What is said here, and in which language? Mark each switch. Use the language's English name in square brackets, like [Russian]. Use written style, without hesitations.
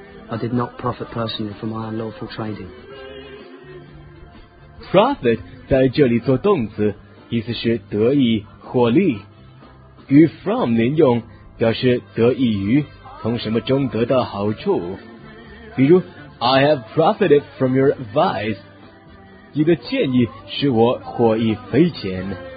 [English] I did not profit personally from my unlawful trading. [Chinese] Profit 在这里做动词，意思是得益、获利。与 from 连用，表示得益于，从什么中得到好处。比如 [English] I have profited from your advice， [Chinese] 你的建议使我获益匪浅。